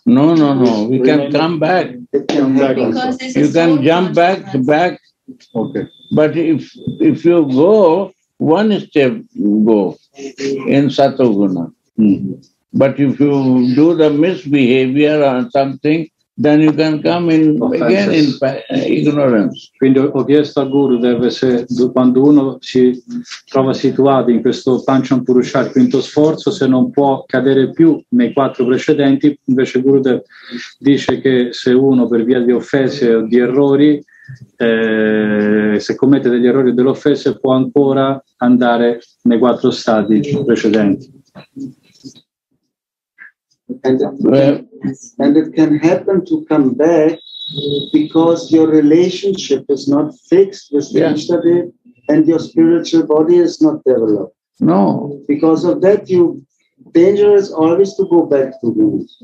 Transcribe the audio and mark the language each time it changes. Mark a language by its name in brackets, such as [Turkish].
[English] No, no, no. We can come back. You can jump back, back. Okay. But if you go, one step go in satoguna. Mm-hmm. But if you do the misbehavior or something, then you can come in again in ignorance. [Italian] Quindi ho chiesto al Guru deve se quando uno si trova situato in questo Pancham Purusha, il quinto sforzo, se non può cadere più nei quattro precedenti, invece Guru Dev dice che se uno per via di offese o di errori, se commette degli errori o delle offese, può ancora andare nei quattro stati precedenti. [English] And it can happen to come back because your relationship is not fixed with the Ishtadev and your spiritual body is not developed. No. Because of that, you danger is always to go back to Guna.